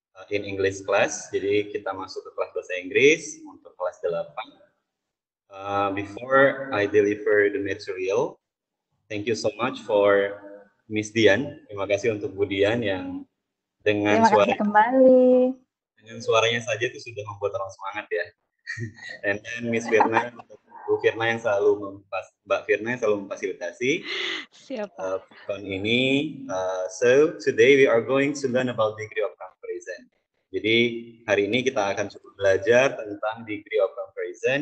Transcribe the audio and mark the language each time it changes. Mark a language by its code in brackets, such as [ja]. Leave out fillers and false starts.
[en] In English class, [id] jadi kita masuk ke kelas bahasa Inggris untuk kelas 8. [en] Before I deliver the material, thank you so much for Miss Dian. [id] Terima kasih untuk Bu Dian yang dengan terima kasih kembali. Dengan suaranya saja itu sudah membuat orang semangat ya. [en] And then [id] Miss Firna, untuk Bu Firna yang selalu Mbak Firna yang selalu memfasilitasi. Siapa? Pekan ini. [en] So today we are going to learn about degree of [id] jadi hari ini kita akan cukup belajar tentang [en] degree of comparison.